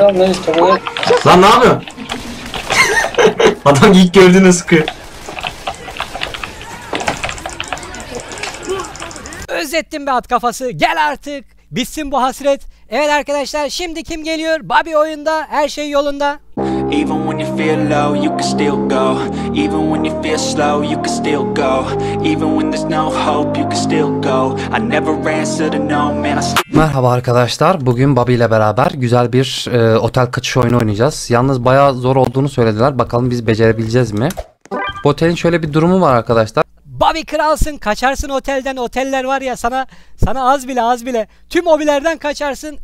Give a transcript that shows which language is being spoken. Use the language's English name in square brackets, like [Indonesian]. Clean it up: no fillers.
[Turkish] lan, neyiz tabi. Lan ne yapıyorsun? Adam ilk gördüğünde sıkıyor. Özlettim be at kafası. Gel artık. Bitsin bu hasret. Evet arkadaşlar, şimdi kim geliyor? Bobby oyunda. Her şey yolunda. [English] Even when you feel low, you can still go. Even when you feel slow, you can still go. Even when there's no hope, you can still go. I never answered a no, man. [Turkish] Merhaba arkadaşlar, bugün Bobby ile beraber güzel bir otel kaçış oyunu oynayacağız. Yalnız bayağı zor olduğunu söylediler. Bakalım biz becerebileceğiz mi? Bu otelin şöyle bir durumu var arkadaşlar. Bobby kralsın, kaçarsın otelden. Oteller var ya, sana az bile az bile tüm obilerden kaçarsın.